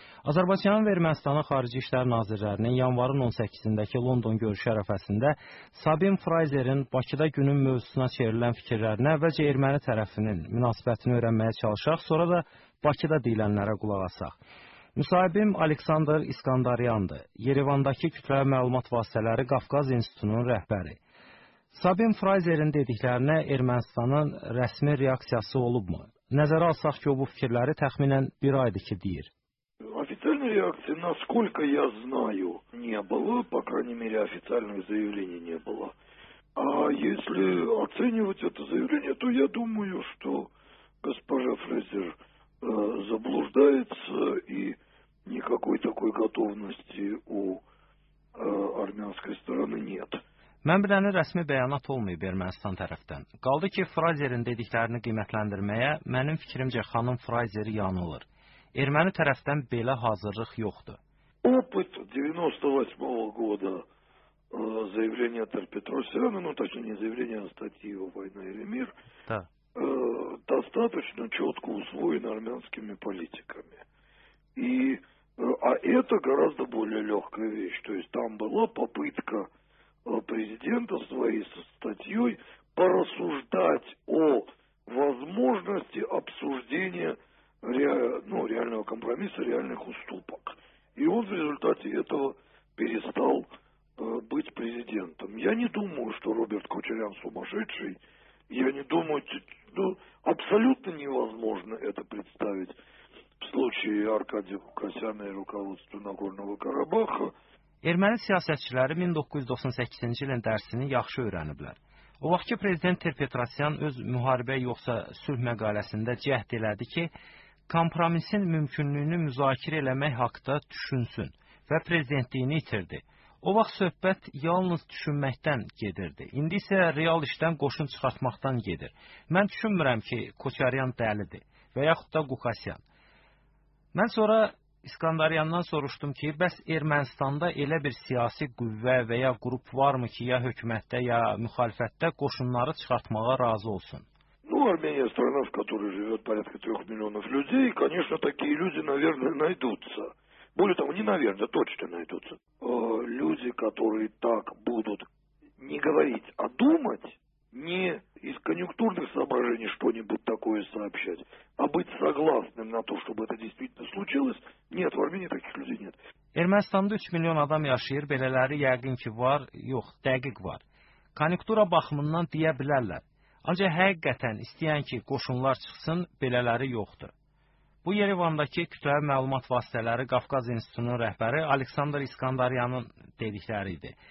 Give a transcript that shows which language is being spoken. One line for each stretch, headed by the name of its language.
Azerbaijani: Azərbaycanın və Ermənistanın Xarici İşlər Nazirlərinin yanvarın 18-dəki London görüşü ərəfəsində Sabin Fraser'in Bakıda günün mövzusuna çevrilən fikirlərinə əvvəlcə erməni tərəfinin münasibətini öyrənməyə çalışaq, sonra da Bakıda deyilənlərə qulaq asaq. Müsahibim Aleksandr İskandaryandır, Yerevandakı kütləvi məlumat vasitələri Qafqaz İnstitutunun rəhbəri. Sabin Fraser'in dediklərinə Ermənistanın rəsmi reaksiyası olubmu? Nəzərə alsaq ki, o bu fikirləri təxminən bir aydır ki, deyir.
Russian: Официальной реакции, насколько я знаю, не было, по крайней мере, официальных заявлений не было. А если оценивать это заявление, то я думаю, что госпожа Фрейзер заблуждается, и никакой такой готовности у армянской стороны нет.
Azerbaijani: Mən biləni rəsmi bəyanat olmayıb Ermənistan tərəfdən. Qaldı ki, Fraser'in dediklərini qiymətləndirməyə mənim fikrimcə xanım Fraser yanılır. Erməni tərəfdən belə hazırlıq yoxdur.
Russian: Опыт 98-го года заявления Петросяна, ну, точнее, заявления статьи о «Война или мир», да. Достаточно четко усвоен армянскими политиками. И, а это гораздо более легкая вещь. То есть там была попытка президента своей статьей порассуждать о возможности обсуждения реального компромисса, реальных уступок. И он в результате этого перестал быть президентом. Я не думаю, что Роберт Кочарян сумасшедший. Я не думаю, абсолютно невозможно это представить в случае Аркадия Кокасяна и руководства Нагорного Карабаха.
Azerbaijani: Erməni siyasətçiləri 1998-ci ilin dərsini yaxşı öyrəniblər. O vaxt ki, prezident Petrosyan öz müharibə yoxsa sülh məqaləsində cəhd elədi ki, kompromisin mümkünlüyünü müzakirə eləmək haqda düşünsün və prezidentliyini itirdi. O vaxt söhbət yalnız düşünməkdən gedirdi. İndi isə real işdən qoşun çıxartmaqdan gedir. Mən düşünmürəm ki, Koçaryan dəlidir və yaxud da Qukasyan. Mən sonra İskandaryandan soruşdum ki, bəs Ermənistanda elə bir siyasi qüvvə və ya qrup varmı ki, ya hökumətdə, ya müxalifətdə qoşunları çıxartmağa razı olsun?
Russian: Ну, Армения страна, в которой живет порядка 3 миллионов людей, конечно, такие люди, наверное, найдутся. Более того, не наверное, точно найдутся. Люди, которые так будут не говорить, а думать, не из конъюнктурных соображений что-нибудь такое сообщать, а быть согласным на то, чтобы это действительно случилось, нет, в Армении таких людей нет.
Azerbaijani: Ermənistanda 3 milyon adam yaşayır, belələri yəqin ki var, yox, dəqiq var. Konjunktura baxımından deyə bilərlər. Ancaq həqiqətən istəyən ki, qoşunlar çıxsın, belələri yoxdur. Bu Yerevandakı kütləvi məlumat vasitələri Qafqaz İnstitutunun rəhbəri Aleksandr İskandaryanın dedikləri idi.